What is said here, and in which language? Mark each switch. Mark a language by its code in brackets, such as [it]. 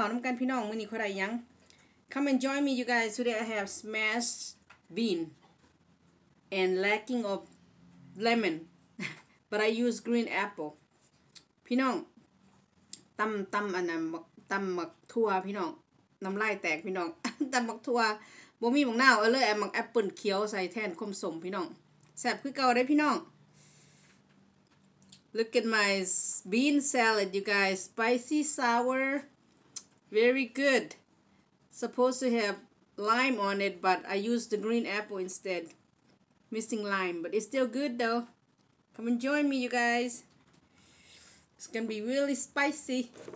[tts] เฮ้ยสบายดีพี่น้องมื้อนี้มาสบายดีพี่น้องมื้อนี้มากินข้าวนํากันพี่น้องมื้อนี้ขอได้ยัง [en] Come and join me you guys. Today I have smashed bean and lacking of lemon. But I use green apple. [tts] พี่น้องตําอันนั้นตําหมักถั่วพี่น้องน้ําลายแตกพี่น้องตําหมักถั่วบ่มีหม่องหน้าเอาเลยแอมหมักแอปเปิ้ลเขียวใส่แทนความสมพี่น้องแซ่บคือเก่าเด้พี่น้อง [en] Look at my bean salad, you guys. Spicy, sour. Very good. Supposed to have lime on it, but I used the green apple instead. Missing lime, but it's still good though. Come and join me, you guys. It's gonna be really spicy.